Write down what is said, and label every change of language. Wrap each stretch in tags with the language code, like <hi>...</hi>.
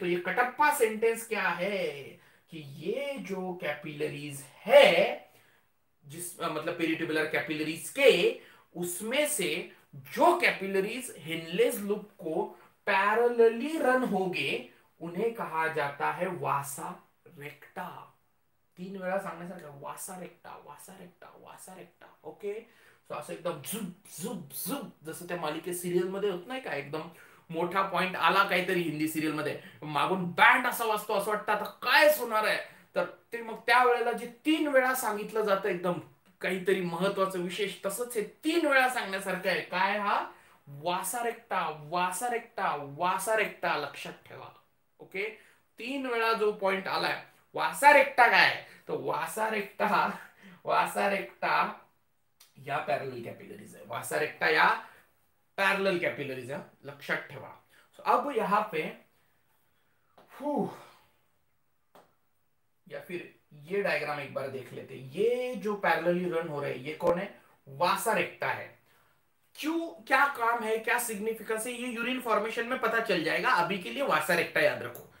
<hi>तो ये कटप्पा सेंटेंस क्या है, कि ये जो कैपिलरीज है जिस मतलब पेरिटुबुलर कैपिलरीज के, उसमें से जो कैपिलरीज हिनलेस लूप को पैरेलली रन होंगे उन्हें कहा जाता है वासा रेक्टा।</hi> <mr>तीन वेला सामने सर का वासा रेक्टा, वासा रेक्टा, वासा रेक्टा। ओके, तो असं एकदम झुप झुप झुप, जसं त्या मालिके सिरियल मध्ये होत नाही का, एकदम मोठा पॉइंट आला काहीतरी हिंदी सिरियल मध्ये, मागून बँड असा वाजतो असं वाटतं आता काय सुनार आहे, तर ते मग त्या वेळेला जे 3 वेळा सांगितलं जातं एकदम काहीतरी महत्वाचं विशेष, तसंच हे 3 वेळा सांगण्यासारखं आहे, काय हा वासा रेक्टा, वासा रेक्टा, वासा रेक्टा, लक्षात ठेवा। ओके, 3 वेळा जो पॉइंट आलाय वासा रेक्टा काय, तो वासा रेक्टा,</mr> <hi>वासा रेक्टा या पैरेलल कैपिलरीज है,</hi> <mr>वासा रेक्टा या पैरेलल कैपिलरीज है, लक्षात ठेवा।</mr> <hi>अब यहां पे या फिर ये डायग्राम एक बार देख लेते, ये जो पैरेलली रन हो रहे ये कौन है, वासा रेक्टा है, क्यों, क्या काम है, क्या सिग्निफिकेंस है, ये यूरिन फॉर्मेशन में पता चल जाएगा, अभी के लिए वासा रेक्टा याद रखो।</hi>